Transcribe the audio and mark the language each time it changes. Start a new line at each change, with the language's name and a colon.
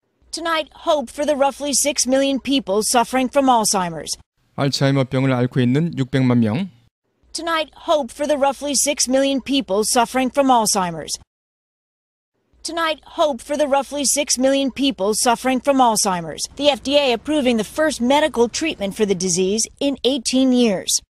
English: Tonight, hope for the roughly 6 million people suffering from Alzheimer's.
Korean: 알츠하이머병을 앓고 있는 600만 명.
English: Tonight, hope for the roughly 6 million people suffering from Alzheimer's. Tonight, hope for the roughly 6 million people suffering from Alzheimer's. The FDA approving the first medical treatment for the disease in 18 years.